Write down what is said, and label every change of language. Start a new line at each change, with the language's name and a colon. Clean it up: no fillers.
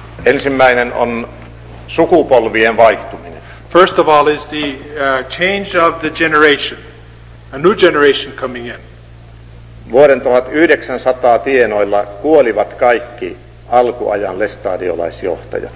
Finnish: Ensimmäinen on sukupolvien vaihtuminen.
English: First of all is the change of the generation, a new generation coming in.
Finnish: Vuoden 1900 tienoilla kuolivat kaikki alkuajan lestadiolaisjohtajat.